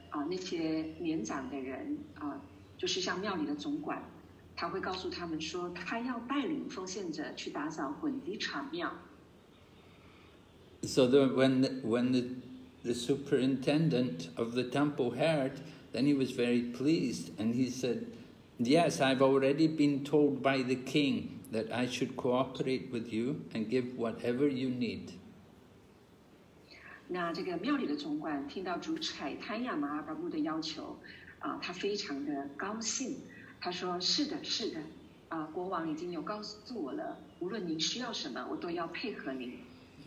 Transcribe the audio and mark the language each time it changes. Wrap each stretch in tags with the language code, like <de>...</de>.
<zh>那些年长的人就是像庙里的总管，他会告诉他们说，他要带领奉献者去打扫滚地场庙。</zh> <en>So the, when the superintendent of the temple heard, then he was very pleased, and he said, "Yes, I've already been told by the king that I should cooperate with you and give whatever you need."</en> <zh>那这个庙里的总管听到主柴坦亚马阿巴布的要求，他非常的高兴。他说：“是的，国王已经有告诉我了，无论您需要什么，我都要配合您。”</zh>